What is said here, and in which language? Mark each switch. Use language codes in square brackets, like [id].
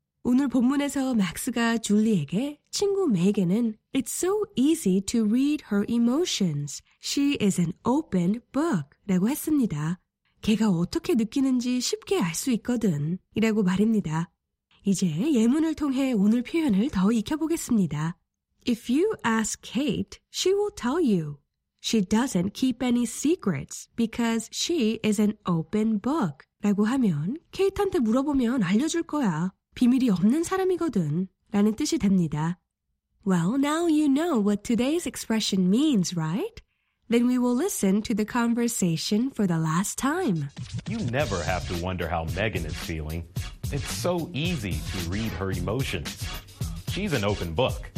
[ko] 오늘 본문에서 맥스가 줄리에게 친구 맥에게는 [en] It's so easy to read her emotions. She is an open book. [ko] 라고 했습니다. 걔가 어떻게 느끼는지 쉽게 알 수 있거든. 이라고 말입니다. 이제 예문을 통해 오늘 표현을 더 익혀보겠습니다. [en] If you ask Kate, she will tell you. She doesn't keep any secrets because she is an open book. [ko] 라고 하면 케이트한테 물어보면 알려줄 거야. 비밀이 없는 사람이거든 라는 뜻이 됩니다. [en] Well, now you know what today's expression means, right? Then we will listen to the conversation for the last time. You never have to wonder how Megan is feeling. It's so easy to read her emotions. She's an open book.